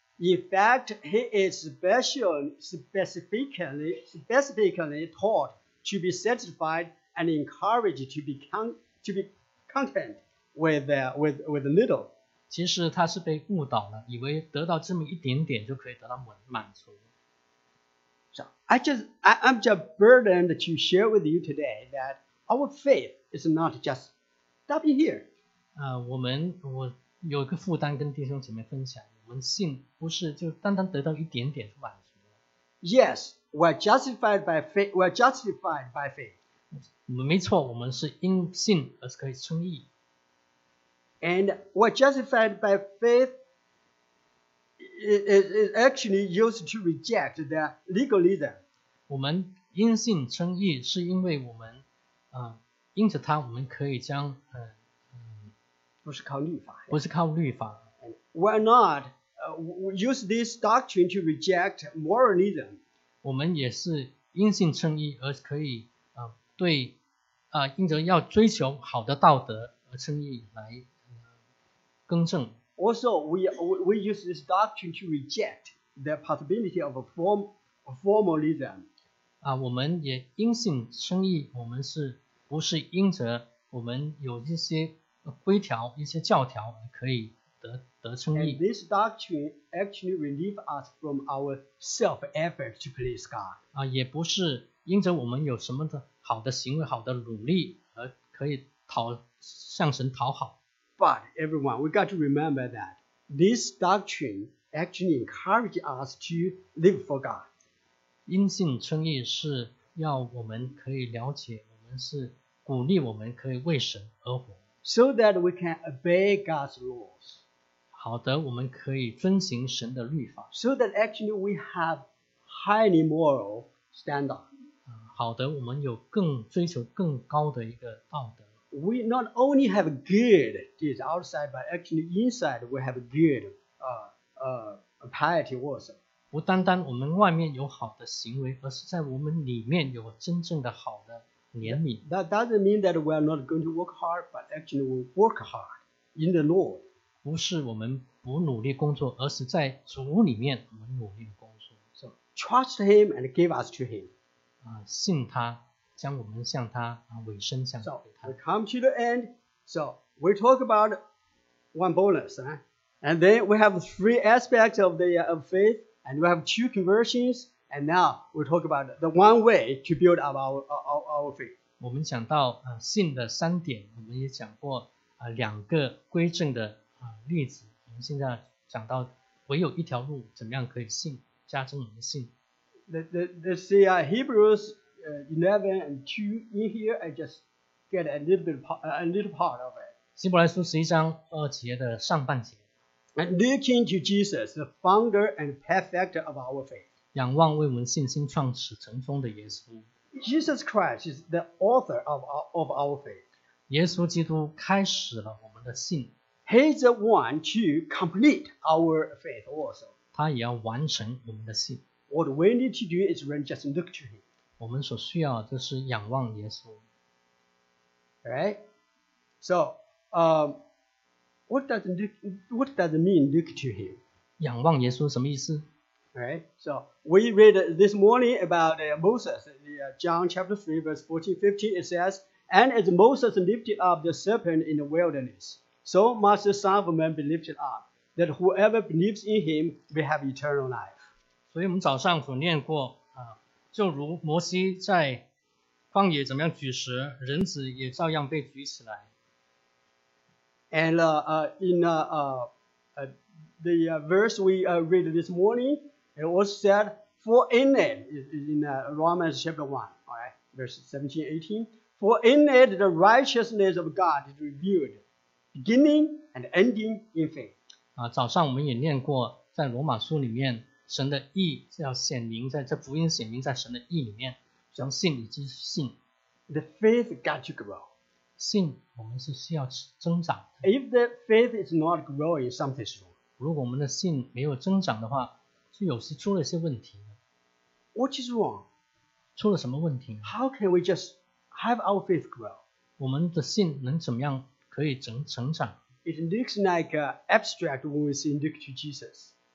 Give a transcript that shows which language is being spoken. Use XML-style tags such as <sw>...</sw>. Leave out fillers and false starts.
<en>In fact, he is specifically taught to be satisfied and encouraged to be content with little.</en> <zh>其实他是被误导了，以为得到这么一点点就可以得到满足。</zh> <en>So I'm just burdened to share with you today that our faith is not just stopping here.</en> <zh>我有一个负担跟弟兄姐妹分享。我们信不是就单单得到一点点就满足了。</zh> <en>Yes, we're justified by faith. We're justified by faith.</en> <zh>没错，我们是因信而可以称义。</zh> <en>And we're justified by faith. It actually used to reject the legalism.</en> <zh>我们因信称义是因为我们，因着它我们可以将不是靠律法。不是靠律法。</zh> <en>We're not. Use this doctrine to reject moralism.</en> <zh>我们也是因信称义而可以对因着要追求好的道德而称义来更正。</zh> <en>Also, we use this doctrine to reject the possibility of formalism.</en> <zh>我们也因信称义，我们是不是因着我们有一些规条、一些教条而可以？</zh> <en>And this doctrine actually relieves us from our self-effort to please God.</en> <zh>也不是因着我们有什么的好的行为、好的努力而可以向神讨好。</zh> <en>But everyone, we got to remember that this doctrine actually encourages us to live for God.</en> <zh>因信称义是要我们可以了解我们是鼓励我们可以为神而活</zh> <en>So that we can obey God's laws</en> <zh>好的我们可以遵行神的律法</zh> <en>So that actually we have highly moral standard</en> <zh>好的我们有更追求更高的一个道德</zh> <en>We not only have good deeds outside but actually inside we have good piety also</en> <zh>不单单我们外面有好的行为，而是在我们里面有真正的好的怜悯。</zh> <en>That doesn't mean that we are not going to work hard, but actually we work hard in the Lord.</en> <zh>不是我们不努力工作，而是在主里面我们努力工作。</zh> <en>So trust Him and give us to Him.</en> <zh>信他，将我们向他委身向他。</zh> <en>So we come to the end. So we talk about one bonus, and then we have three aspects of the of faith. And we have two conversions, and now we'll talk about the one way to build up our faith.</en> <zh>我们讲到信的三点，我们也讲过两个归正的例子。我们现在讲到唯有一条路，怎么样可以信，加增我们的信。</zh> <en>The Hebrews 11 and 2 in here, I just get a little part of it.</en> <zh>希伯来书十一章二节的上半节。</zh> <en>And looking to Jesus, the founder and perfecter of our faith.</en> <zh>仰望为我们信心创始成终的耶稣。</zh> <en>Jesus Christ is the author of our faith.</en> <zh>耶稣基督开始了我们的信。</zh> <en>He's the one to complete our faith also.</en> <zh>他也要完成我们的信。</zh> <en>What we need to do is really just look to him.</en> <zh>我们所需要就是仰望耶稣。</zh> <en>Right? So, What does it mean, look to him?</en> <zh>仰望耶稣什么意思?</zh> <en>Right, so we read this morning about Moses, John chapter 3, verse 14-15, it says, And as Moses lifted up the serpent in the wilderness, so must the Son of Man be lifted up, that whoever believes in him may have eternal life.</en> <zh>所以我们早上所念过,就如摩西在旷野怎么样举石,人子也照样被举起来。</zh> <en>And in the verse we read this morning, it was said, For in it, Romans chapter 1, all right, verse 17-18, For in it the righteousness of God is revealed, beginning and ending in faith.</en> <zh>早上我们也念过，在罗马书里面，神的义要显明在这福音显明在神的义里面，从信以及信。</zh> <en>The faith got to grow.</en> <zh>信我们是需要增长的。</zh> <en>If the faith is not growing, something's wrong.</en> <zh>如果我们的信没有增长的话，是有时出了一些问题的。</zh> <en>What is wrong?</en> <zh>出了什么问题呢</zh> <en>？How can we just have our faith grow?</en> <zh>我们的信能怎么样可以成长</zh> <en>？It looks like abstract when we say look to Jesus.</en>